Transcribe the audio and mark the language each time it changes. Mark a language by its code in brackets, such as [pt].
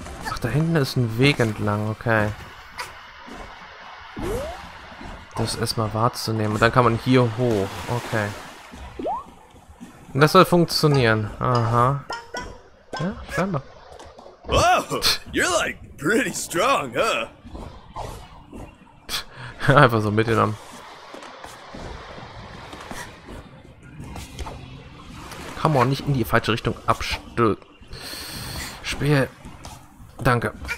[de] Ach, da hinten ist ein Weg entlang, okay. Das erstmal wahrzunehmen. Und dann kann man hier hoch, okay. Und das soll funktionieren. Aha. Ja, scheinbar. [en] Wow, you're like pretty strong, huh? [de] Einfach so mitgenommen. [en] Come on, [de] nicht in die falsche Richtung abstürzen. Spiel. Danke.